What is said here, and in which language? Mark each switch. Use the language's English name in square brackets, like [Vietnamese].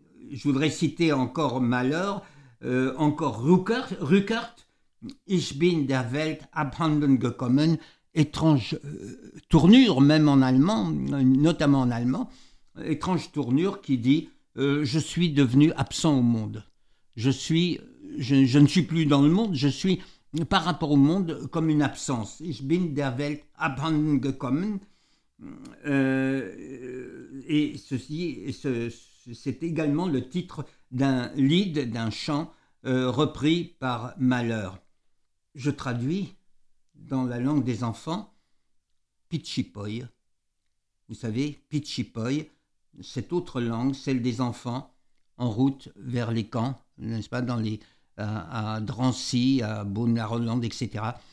[French] je voudrais citer encore Malheur, encore Rückert, [German] Ich bin der Welt abhanden gekommen, [French] étrange tournure, même en allemand, notamment en allemand, étrange tournure qui dit « je suis devenu absent au monde, je ne suis plus dans le monde, je suis par rapport au monde comme une absence. [German] Ich bin der Welt abhanden gekommen ». [French] Et ceci, c'est également le titre d'un lied, d'un chant repris par Malheur. Je traduis dans la langue des enfants, Pitchipoy. Vous savez, Pitchipoy, cette autre langue, celle des enfants en route vers les camps, n'est-ce pas, dans les à Drancy, à Beaune-la-Rolande, etc.